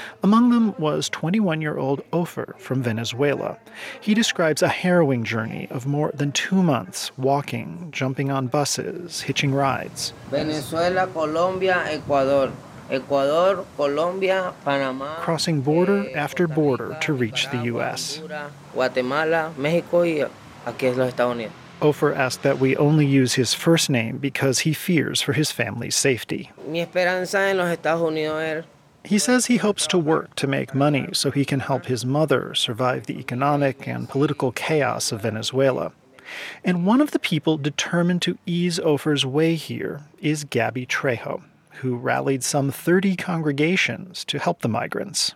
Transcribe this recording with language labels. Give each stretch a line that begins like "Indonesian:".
English: Among them was 21-year-old Ofer from Venezuela. He describes a harrowing journey of more than 2 months walking, jumping on buses, hitching rides. Venezuela, Colombia, Ecuador. Ecuador, Colombia, Panama. Crossing border after border to reach the U.S.
Spanish: Guatemala, Mexico, y aquí es los Estados Unidos.
English: Ofer asked that we only use his first name because he fears for his family's safety.
Spanish: Mi esperanza en los Estados Unidos es...
English: He says he hopes to work to make money so he can help his mother survive the economic and political chaos of Venezuela. And one of the people determined to ease Ofer's way here is Gabby Trejo, who rallied some 30 congregations to help the migrants.